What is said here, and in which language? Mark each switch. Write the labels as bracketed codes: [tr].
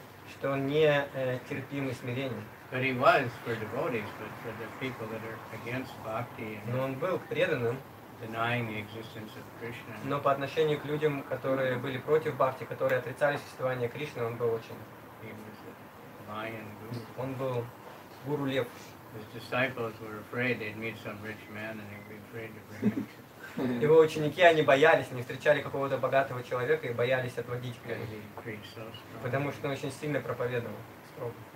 [ru] Что он не терпим и смиренен. [en] But he was for devotees, but for the people that are against bhakti. [ru] Но он был к преданным. [en] Denying the existence of Krishna. [ru] Но по отношению к людям, которые были против бхакти, которые отрицали существование Кришны, он был очень. [en] He was a lion guru. [ru] Он был гуру лев. [en] His disciples were afraid they'd meet some rich man and they'd be afraid to bring him. [ru] Его ученики, они боялись, они встречали какого-то богатого человека и боялись отводить к нему. Потому что он очень сильно проповедовал. Строго.